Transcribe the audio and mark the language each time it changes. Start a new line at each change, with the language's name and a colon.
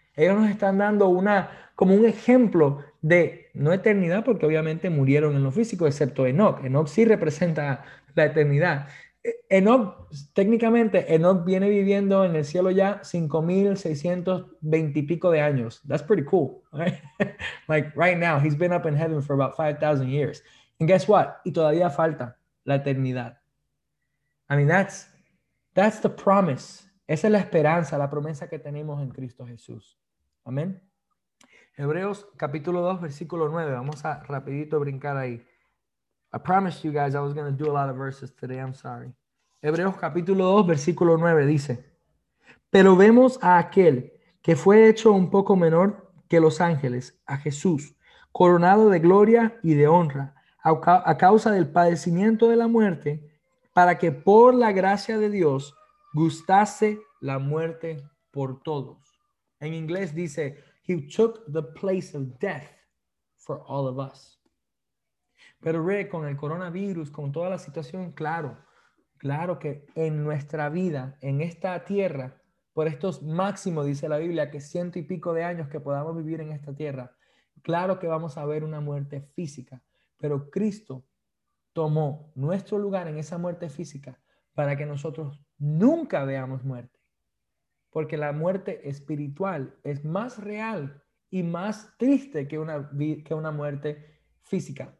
Spanish: Ellos nos están dando como un ejemplo de, no eternidad, porque obviamente murieron en lo físico, excepto Enoch. Enoch sí representa la eternidad. Enoch, técnicamente, Enoch viene viviendo en el cielo ya 5,620 y pico de años.
English: That's pretty cool, right? Like right now, he's been up in heaven for about 5,000 years. And guess what?
Spanish: Y todavía falta la eternidad.
English: I mean, that's the promise.
Spanish: Esa es la esperanza, la promesa que tenemos en Cristo Jesús. Amén. Hebreos capítulo 2, versículo 9. Vamos a rapidito brincar ahí.
English: I promised you guys I was going to do a lot of verses today. I'm sorry.
Spanish: Hebreos capítulo 2, versículo 9 dice: pero vemos a aquel que fue hecho un poco menor que los ángeles, a Jesús, coronado de gloria y de honra, a causa del padecimiento de la muerte, para que por la gracia de Dios gustase la muerte por todos.
English: En inglés dice: He took the place of death for all of us.
Spanish: Pero Rick, con el coronavirus, con toda la situación, claro, claro que en nuestra vida, en esta tierra, por estos máximos, dice la Biblia, que ciento y pico de años que podamos vivir en esta tierra, claro que vamos a ver una muerte física, pero Cristo tomó nuestro lugar en esa muerte física para que nosotros nunca veamos muerte, porque la muerte espiritual es más real y más triste que una muerte física.